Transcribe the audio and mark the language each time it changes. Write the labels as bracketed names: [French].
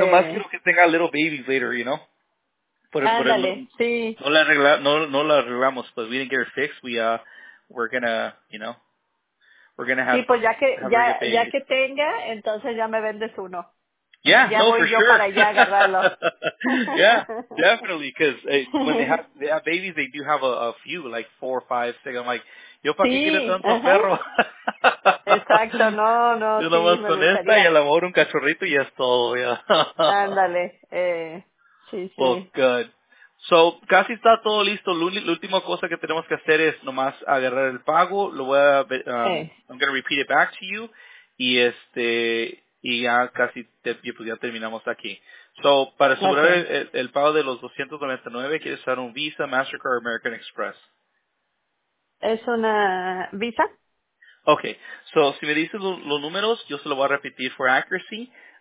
[Spanish] Nomás quiero que tenga [English] little babies later, you know? [Spanish] No la arreglamos, [English] but we didn't get her fixed. We're gonna have... [Spanish] Sí, pues ya que tenga, entonces ya me vendes uno. [English] Yeah, [Spanish] ya no, voy [English] for [Spanish] yo [English] sure. [Spanish] Para allá agarrarlo. [English] Yeah, definitely, because when they have babies, they do have a few, like 4 or 5, 6. I'm like, [Spanish] yo, ¿para qué quieres tanto perro? Exacto, no. Yo nomás sí, con gustaría. Esta y a lo mejor un cachorrito y ya es todo, ya. Ándale, sí. [English] Well, good. [Spanish] So, casi está todo listo. La última cosa que tenemos que hacer es nomás agarrar el pago. Lo voy a, [English] I'm going to repeat it back to you. [Spanish] Y ya casi ya terminamos aquí. So, para asegurar el pago de los 299, ¿quieres usar un Visa, MasterCard, American Express? ¿Es una Visa? Okay. So, si me dices los números, yo se lo voy a repetir [English] for accuracy.